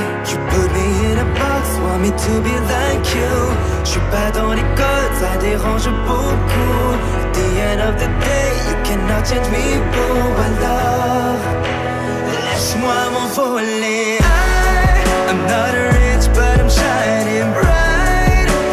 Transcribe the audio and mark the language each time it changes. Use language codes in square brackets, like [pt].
[en] You put me in a box, want me to be like you. [fr] Je suis pas dans les codes, ça dérange beaucoup. [en] The end of the day, you cannot change me, boo. [fr] Alors, lâche-moi m'envoler. [en] I'm not rich, but I'm shining bright.